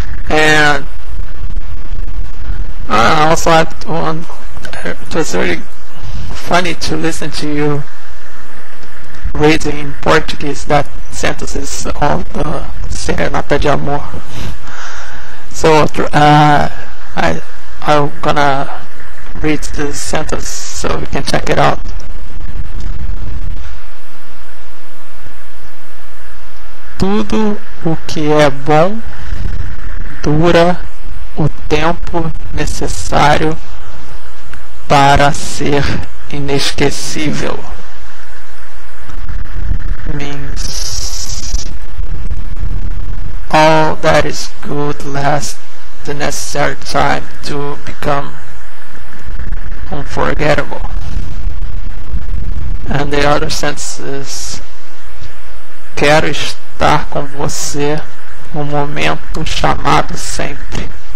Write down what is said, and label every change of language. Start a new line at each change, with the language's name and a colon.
English: And also, it was very funny to listen to you reading in Portuguese that sentences of the Serenata de Amor. So, I'm gonna read the sentence so you can check it out.
Portuguese: Tudo o que é bom dura o tempo necessário para ser inesquecível.
English: Means all that is good lasts the necessary time to become unforgettable. And the other sense is
Portuguese: quero estar com você no momento chamado sempre.